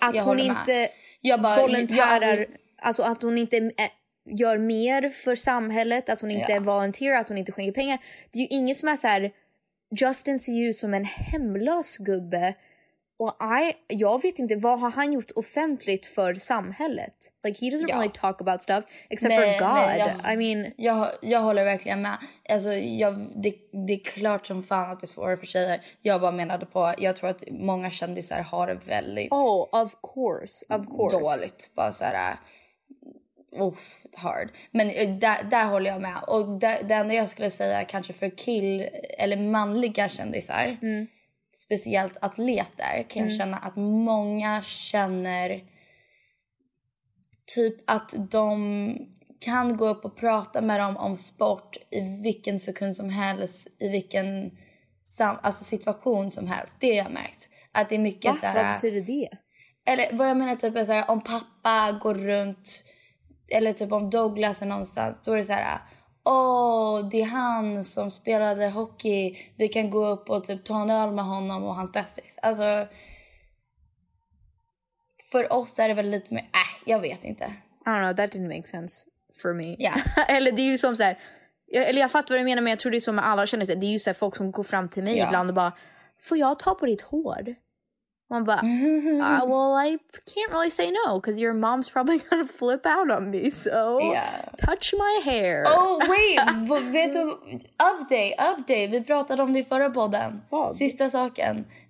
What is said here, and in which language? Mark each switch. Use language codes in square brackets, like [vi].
[sv] Att jag hon inte alltså att hon inte... gör mer för samhället, att hon inte volunteer, att hon inte skänker pengar. Det är ju ingen som är så här, Justin ser ju som en hemlös gubbe, och jag vet inte, vad har han gjort offentligt för samhället? [en] Like, he doesn't really talk about stuff except for God. [sv] Jag håller verkligen med. Alltså, det är klart som fan att det är svårare för tjejer. Jag bara menade på, jag tror att många kändisar har det väldigt [en] of course [sv] dåligt, bara så här. Uff, hard. Men där håller jag med. Och det enda jag skulle säga kanske för eller manliga kändisar, speciellt atleter, kan jag känna att många känner typ att de kan gå upp och prata med dem om sport i vilken sekund som helst, i vilken alltså situation som helst. Det har jag märkt. Att det är mycket så här. Vad betyder det? Eller vad jag menar typ är så här, om pappa går runt, eller typ om Douglas är någonstans, då är det så här, det är han som spelade hockey, vi kan gå upp och typ ta en öl med honom och hans bästis. Alltså, för oss är det väl lite mer, jag vet inte. [en] I don't know, that didn't make sense for me. Yeah. [sv] Eller det är ju som så här, jag fattar vad du menar, men jag tror det är som med alla kändisar, det är ju så här, folk som går fram till mig ibland och bara, får jag ta på ditt hår? Man bara, [en] well, I can't really say no, because your mom's probably gonna flip out on me, so touch my hair. Oh, wait, [sv] vet du, update, vi pratade om det i förra podden, sista saken.